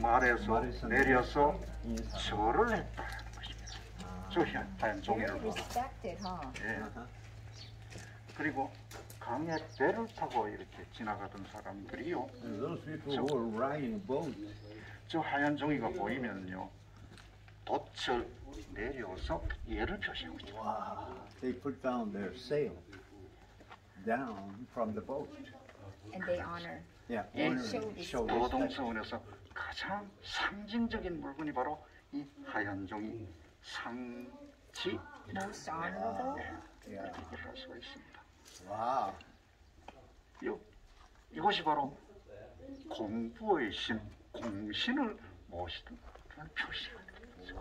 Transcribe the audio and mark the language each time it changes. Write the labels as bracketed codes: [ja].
[ko] 말에서 내려서 절을 했다 하는 것입니다. 아, 조현, 하얀 종이를 보고. Huh? 예. 그리고 강에 배를 타고 이렇게 지나가던 사람들이요. [en] Those people were riding boats. [ko] 저 하얀 종이가 보이면요. 돛을 내려서 예를 표시하고 있죠. Wow. [en] They put down their sail down from the boat. And they honor. Yeah, honor. [ko] 도동서원에서 가장 상징적인 물건이 바로 이 하얀 종이 상치. [en] Most honorable. [ko] 이렇게 할 수가 있습니다. 와. 이것이 바로 공부의 신, 공신을 모시던 그런 표시가 됩니다.